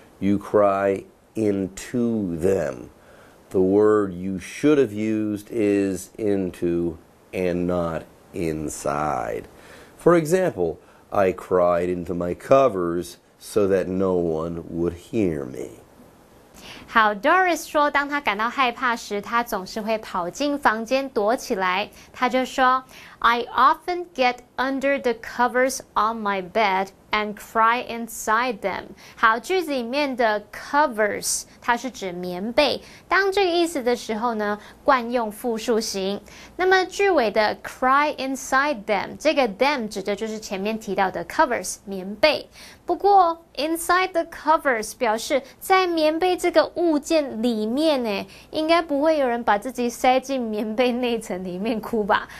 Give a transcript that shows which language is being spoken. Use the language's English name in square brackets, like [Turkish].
[English] You cry into them. The word you should have used is into and not inside. For example, I cried into my covers so that no one would hear me. [Chinese] 好 ,Doris 说当她感到害怕时她总是会跑进房间躲起来。她就说 [English] I often get under the covers on my bed and cry inside them. [Chinese] 好句子里面的 covers, 它是指棉被。当这个意思的时候呢惯用复数型。那么句尾的 [English] cry inside them, [Chinese] 这个 them 指的就是前面提到的 covers, 棉被。不过 [English] inside the covers [Chinese] 表示在棉被这个物件里面呢，应该不会有人把自己塞进棉被内层里面哭吧。